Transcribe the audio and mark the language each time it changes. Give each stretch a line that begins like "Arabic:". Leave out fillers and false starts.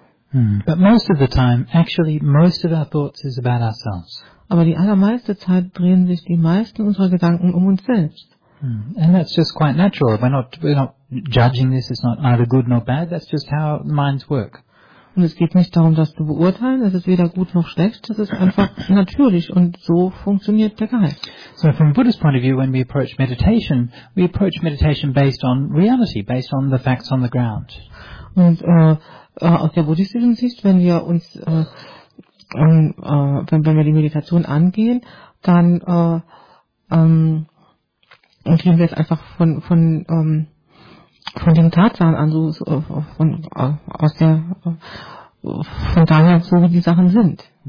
English: But most of the time, actually, most of our thoughts is about ourselves.
German: Aber die allermeiste Zeit drehen sich die meisten unserer Gedanken uns selbst.
English: And that's just quite natural. We're not judging this. It's not either good nor bad. That's just how minds work.
German: Und es geht nicht darum, das zu beurteilen. Es ist weder gut noch schlecht. Es ist einfach natürlich und so funktioniert der Geist.
English: So from a Buddhist point of view, when we approach meditation based on reality, based on the facts on the ground.
German: Und aus der buddhistischen Sicht, wenn wir uns, wenn wir die Meditation angehen, dann gehen wir es einfach von den Tatsachen an, so, von, aus der, von daher, so wie die Sachen sind.